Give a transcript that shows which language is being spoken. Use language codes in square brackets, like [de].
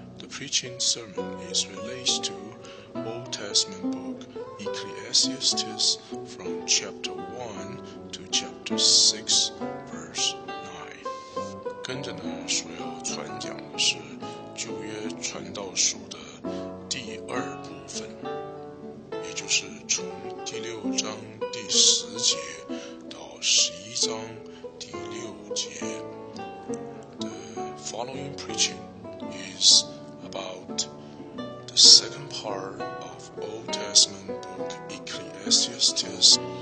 [en] Preaching sermon is related to Old Testament book Ecclesiastes from chapter 1 to chapter 6 verse 9. [zh] 跟着呢所要传讲的是旧约传道书的第二部分，也就是从第六章第十节到十一章第六节。 [en] The following preaching isabout the second part of Old Testament book Ecclesiastes.